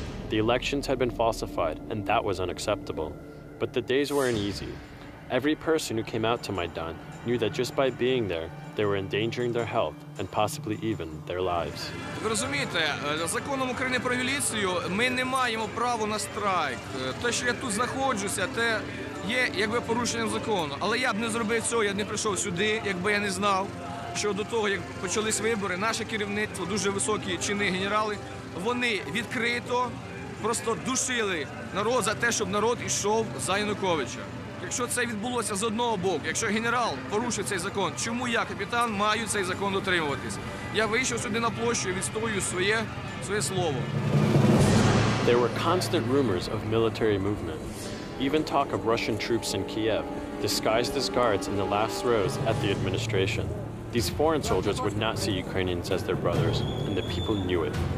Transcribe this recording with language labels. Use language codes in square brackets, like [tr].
[en] The elections had been falsified, and that was unacceptable. But the days weren't easy. Every person who came out to Maidan knew that just by being there, they were endangering their health and possibly even their lives. [uk] Ви розумієте, законом України про міліцію ми не маємо права на страйк. Те, що я тут знаходжуся, те є якби порушенням закону. Але я б не зробив цього, я б не прийшов сюди, якби я не знав. Що до того, як почались вибори, наше керівництво, дуже високі чини генерали, вони відкрито просто душили народ за те, щоб народ йшов за Януковича. Якщо це відбулося з одного боку, якщо генерал порушив цей закон, чому я, капітан, маю цей закон дотримуватись? Я вийшов сюди на площу і відстоюю своє слово. [en] There were constant rumors of military movement. even talk of Russian troops in Kiev, disguised as guards in the last rows at the administration. These foreign soldiers would not see Ukrainians as their brothers, and the people knew it.